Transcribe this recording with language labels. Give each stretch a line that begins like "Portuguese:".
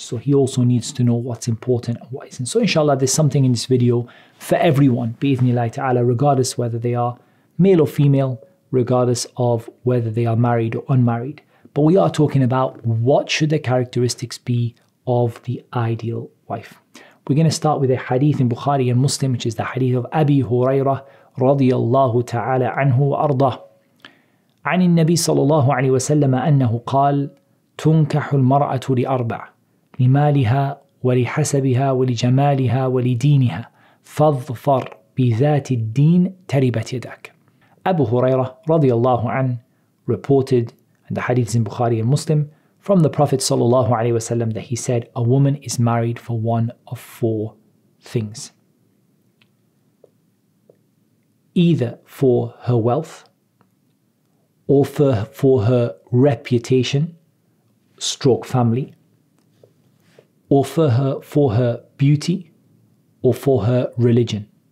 English: So he also needs to know what's important and what isn't. So inshallah, there's something in this video for everyone, bi-ithnillahi ta'ala, regardless whether they are male or female, regardless of whether they are married or unmarried. But we are talking about what should the characteristics be of the ideal wife. We're going to start with a hadith in Bukhari and Muslim, which is the hadith of Abi Hurairah radiyallahu ta'ala anhu wa ardah.
Arabic: عن النبي صلى الله عليه وسلم أنه قال تنكح المرأة لأربع لمالها ولحسبها ولجمالها ولدينها فاظفر بذات الدين تربت يدك.
English: أبو هريرة رضي الله عنه reported in the hadith in Bukhari and Muslim from the Prophet صلى الله عليه وسلم that he said a woman is married for one of four things. Either for her wealth, or for her reputation, stroke family, or for her beauty, or for her religion.